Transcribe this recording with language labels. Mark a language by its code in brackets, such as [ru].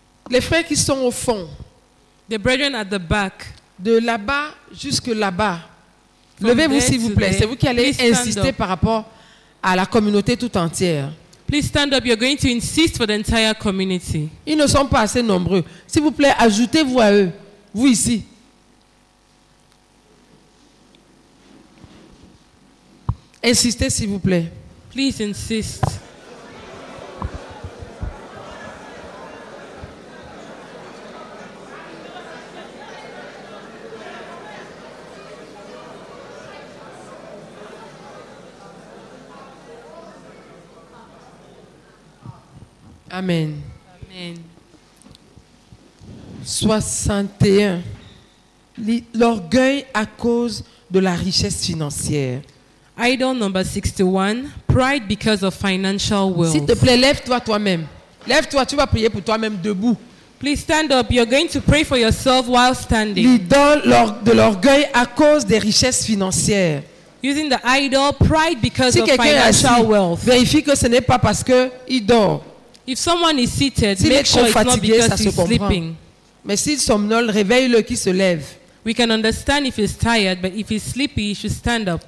[fr] Les frères qui sont au fond, [en] the brethren at the back, [fr] de là-bas jusque là-bas, levez-vous s'il vous plaît. C'est vous qui allez insister par rapport à la communauté tout entière. [en] Please stand up. You're going to insist for the entire community. [fr] Ils ne sont pas assez nombreux. S'il vous plaît, ajoutez-vous à eux. Vous ici. Insistez, s'il vous plaît. [en] Please insist. Amen. Amen. [fr] 61. L'orgueil à cause de la richesse financière. [en] Idol number 61. Pride because of financial wealth. [fr] S'il te plaît, lève-toi toi-même. Lève-toi, tu vas prier pour toi-même debout. [en] Please stand up. You're going to pray for yourself while standing. [fr] L'idole de l'orgueil à cause des richesses financières. [en] Using the idol pride because si of financial wealth. [fr] Vérifie que ce n'est pas parce que il dort. [en] If someone is seated, s'il make sure it's not because he's sleeping. [fr] Mais s'il somnole, réveille-le qui se lève. [en] We can understand if he's tired, but if he's sleepy, he should stand up.